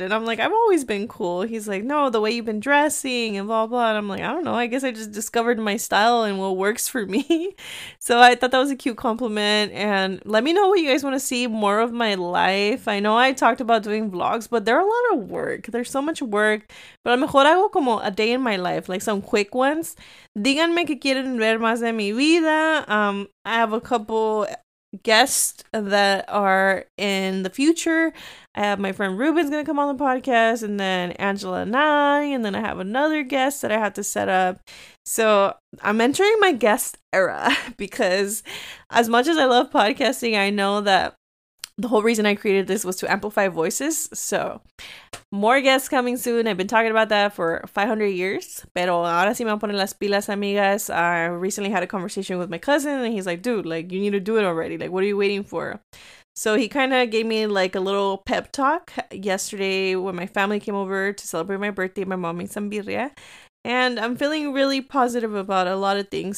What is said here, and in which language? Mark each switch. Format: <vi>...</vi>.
<en>And I'm like, I've always been cool. He's like, no, the way you've been dressing and blah, blah. And I'm like, I don't know. I guess I just discovered my style and what works for me. So I thought that was a cute compliment. And let me know what you guys want to see more of my life. I know I talked about doing vlogs, but they're a lot of work. There's so much work.</en> <es>Pero mejor hago como</es> <en>a day in my life, like some quick ones.</en> <es>Díganme que quieren ver más de mi vida.</es> <en>I have a couple guests that are in the future. I have my friend Ruben's gonna come on the podcast, and then Angela and I, and then I have another guest that I have to set up. So I'm entering my guest era because as much as I love podcasting, I know that the whole reason I created this was to amplify voices. So, more guests coming soon. I've been talking about that for 500 years.</en> <es>Pero ahora sí me voy a poner las pilas, amigas.</es> <en>I recently had a conversation with my cousin, and he's like, dude, like, you need to do it already. Like, what are you waiting for? So, he kind of gave me like a little pep talk yesterday when my family came over to celebrate my birthday. My mom made some birria. And I'm feeling really positive about a lot of things.</en>